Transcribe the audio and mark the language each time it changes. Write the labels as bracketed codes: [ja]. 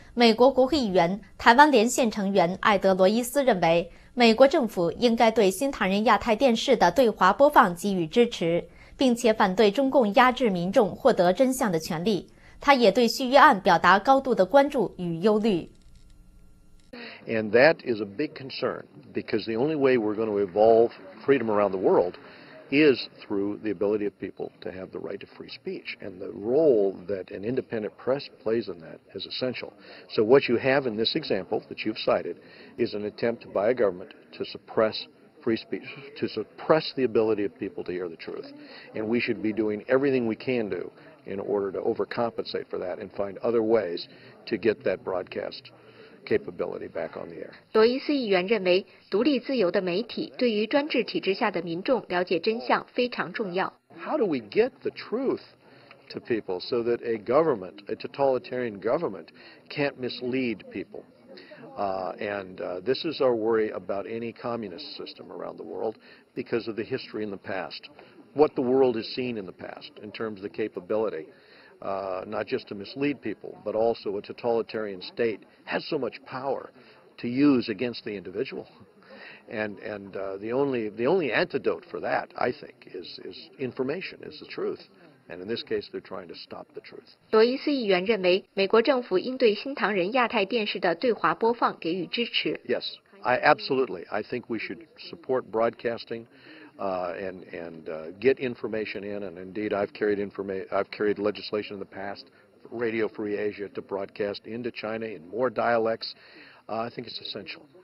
[zh] 美国国会议员、台湾连线成员艾德罗伊斯认为，美国政府应该对新唐人亚太电视的对华播放给予支持，并且反对中共压制民众获得真相的权利。他也对续约案表达高度的关注与忧虑。 [en] And that is a big concern because the only way we're going to evolve freedom around the world is through the ability of people to have the right to free speech. And the role that an independent press plays in that is essential. So what you have in this example that you've cited is an attempt by a government to suppress free speech, to suppress the ability of people to hear the truth. And we should be doing everything we can do in order to overcompensate for that and find other ways to get that broadcast capability back on the air. [zh] 罗伊斯议员认为，独立自由的媒体对于专制体制下的民众了解真相非常重要。 [en] How do we get the truth to people so that a government, a totalitarian government, can't mislead people? This is our worry about any communist system around the world because of the history in the past, what the world has seen in the past in terms of the capability. Not just to mislead people, but also a totalitarian state has so much power to use against the individual. The only antidote for that, I think, is information, is the truth. And in this case, they're trying to stop the truth. [zh] 罗伊斯议员认为，美国政府应对新唐人亚太电视的对华播放给予支持。 [en] Yes, I think we should support broadcasting. Get information in, and indeed I've carried legislation in the past, Radio Free Asia, to broadcast into China in more dialects. I think it's essential.